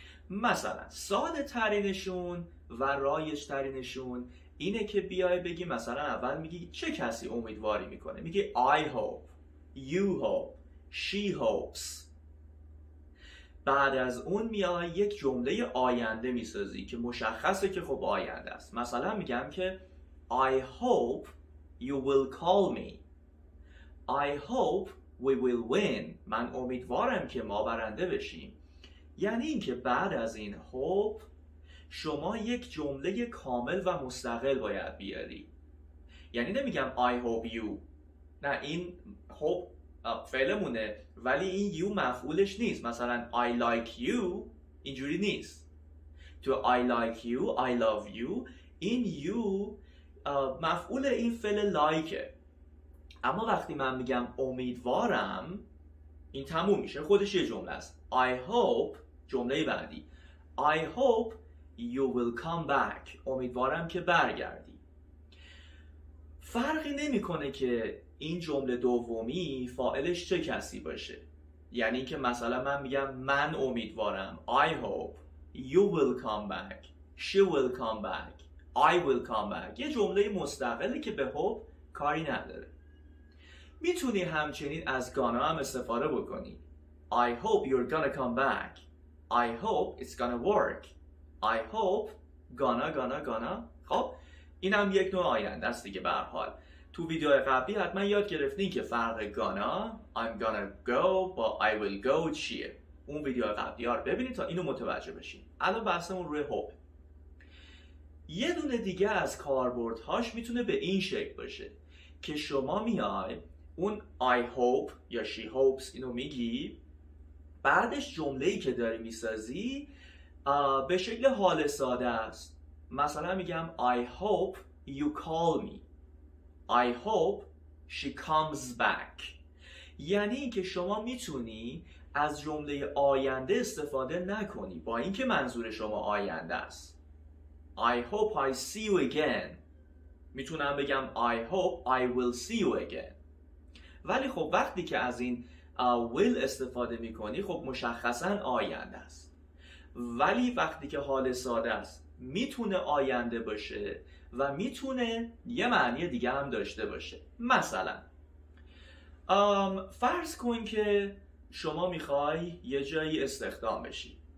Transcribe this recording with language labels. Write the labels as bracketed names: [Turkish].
[Persian] مثلا ساده ترینشون و رایج ترینشون اینه که بیای بگی، مثلا اول میگی چه کسی امیدواری میکنه، میگی [English] I hope, you hope, she hopes. [Persian] بعد از اون میای یک جمله آینده میسازی که مشخصه که خب آینده است. مثلا میگم که [English] I hope you will call me. I hope we will win. [Persian] من امیدوارم که ما برنده بشیم. یعنی این که بعد از این hope شما یک جمله کامل و مستقل باید بیاری. یعنی نمیگم [English] I hope you. [Persian] نه، این hope فعلمونه ولی این you مفعولش نیست. مثلا [English] I like you [Persian] اینجوری نیست. تو [English] I like you, I love you، [Persian] این you مفعول این فعل لایکه. اما وقتی من میگم امیدوارم، این تموم میشه، خودش یه جمله است. [English] I hope، [Persian] جمله بعدی [English] I hope you will come back، [Persian] امیدوارم که برگردی. فرقی نمی کنه که این جمله دومی فاعلش چه کسی باشه. یعنی که مثلا من میگم من امیدوارم [English] I hope you will come back، she will come back، I will come back. [Persian] یه جمله مستقله که به hope کاری نداره. میتونی همچنین از gonna هم استفاده بکنی. [English] I hope you're gonna come back. I hope it's gonna work. I hope gonna. [Persian] خب اینم یک نوع آینده است دیگه. به هر حال تو ویدیو قبلی حتما یاد گرفتین که فرق gonna، [English] I'm gonna go [Persian] با [English] I will go [Persian] چیه. اون ویدیو قبلی ها رو ببینید تا اینو متوجه بشین. الان بحثمون روی hope. یه دونه دیگه از کاربردهاش میتونه به این شکل باشه که شما میای اون I hope یا [English] she hopes [Persian] اینو میگی، بعدش جمله‌ای که داری میسازی به شکل حال ساده است. مثلا میگم [English] I hope you call me، I hope she comes back. [Persian] یعنی که شما میتونی از جمله آینده استفاده نکنی با اینکه منظور شما آینده است. [English] I hope I see you again. [Persian] میتونم بگم [English] I hope I will see you again. [Persian] ولی خب وقتی که از این will استفاده میکنی، خب مشخصا آینده است. ولی وقتی که حال ساده است میتونه آینده باشه و میتونه یه معنی دیگه هم داشته باشه. مثلا فرض کن که شما میخوای یه جایی استخدام بشی.